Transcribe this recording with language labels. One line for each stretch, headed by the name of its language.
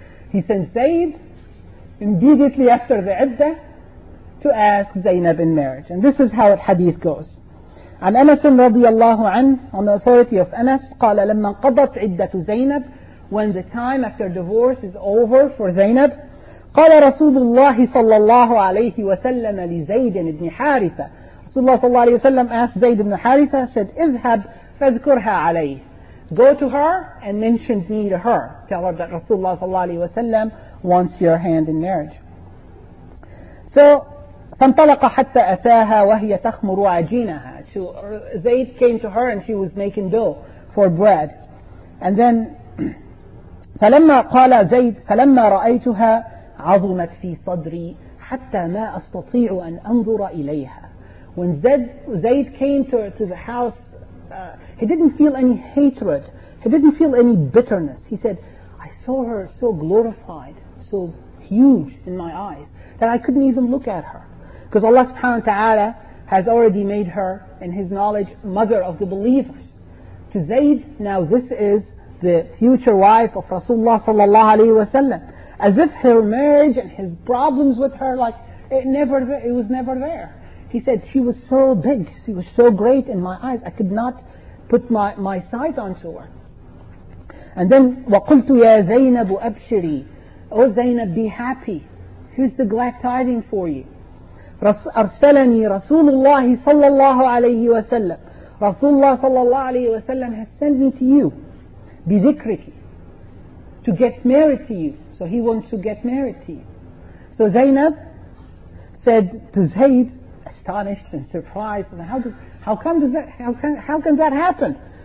English: He sends Zayd immediately after the iddah to ask Zaynab in marriage. And this is how the hadith goes.
Arabic: عن أنس رضي الله عنه,
English: on the authority of Anas,
Arabic: قال لما قضت عدة زينب,
English: when the time after divorce is over for Zaynab,
Arabic: قال رسول الله صلى الله عليه وسلم لزيد بن حارثة.
English: Rasulullah صلى الله عليه وسلم asked Zayd ibn Haritha, said,
Arabic: اذهب فاذكرها عليه.
English: Go to her and mention me to her. Tell her that Rasulullah صلى الله عليه وسلم wants your hand in marriage. So,
Arabic: فانطلق حتى أتاها وهي تخمر عجينها.
English: So Zayd came to her and she was making dough for bread. And then,
Arabic: فلما قال زيد فلما رأيتها عظمت في صدري حتى ما أستطيع أن أنظر إليها.
English: When Zayd came to the house, he didn't feel any hatred. He didn't feel any bitterness. He said, I saw her so glorified, so huge in my eyes, that I couldn't even look at her. Because Allah subhanahu wa ta'ala has already made her, in His knowledge, mother of the believers. To Zayd, now this is the future wife of Rasulullah sallallahu alayhi wa sallam. As if her marriage and his problems with her, like, it was never there. He said, she was so big, she was so great in my eyes, I could not put my sight onto her. And then,
Arabic: وَقُلْتُ يَا زَيْنَبُ أَبْشِرِي.
English: Oh Zaynab, be happy. Here's the glad tidings for you.
Arabic: أَرْسَلَنِي رَسُولُ اللَّهِ صَلَّى اللَّهُ عَلَيْهِ وَسَلَّمُ.
English: رَسُولُ اللَّهِ صَلَّى اللَّهُ عَلَيْهِ وَسَلَّمُ has sent me to you,
Arabic: بِذِكْرِكِ,
English: to get married to you. So he wants to get married to you. So Zaynab said to Zayd, astonished and surprised, and how can that happen?